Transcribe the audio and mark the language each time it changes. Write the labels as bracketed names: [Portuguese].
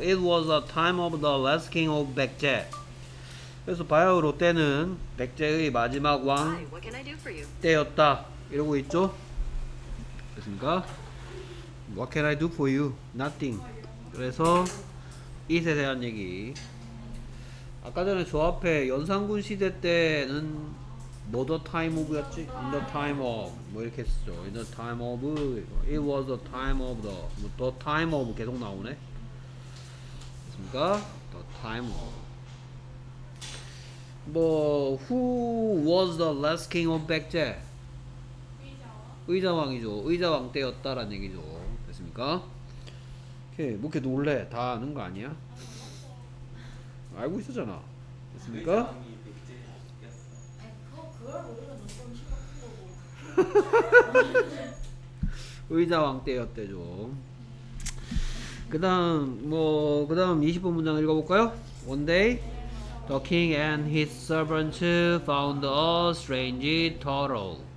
[English] It was a time of the last king of 백제. [Korean] 그래서 바야흐로 때는 백제의 마지막 왕 때였다. 이러고 있죠? 됐습니까? [English] What can I do for you? Nothing. [Korean] 그래서 it에 대한 얘기. 아까 전에 저 앞에 연산군 시대 때는 뭐 [English] the time of [Korean] 였지? [English] In the time of [Korean] 뭐 이렇게 했죠. [English] In the time of it was the time of the time of [Korean] 계속 나오네. 됐습니까? [English] The time of 뭐 who was the last king of 백제? [Korean] 의자왕. 의자왕이죠. 의자왕 때였다라는 얘기죠. 됐습니까? 오케이, 뭐 이렇게 놀래? 다 아는 거 아니야? 알고 있었잖아. 됐습니까? 의자왕 때였대죠. 그 다음 20번 문장 읽어볼까요? [English] One day the king and his servants found a strange turtle.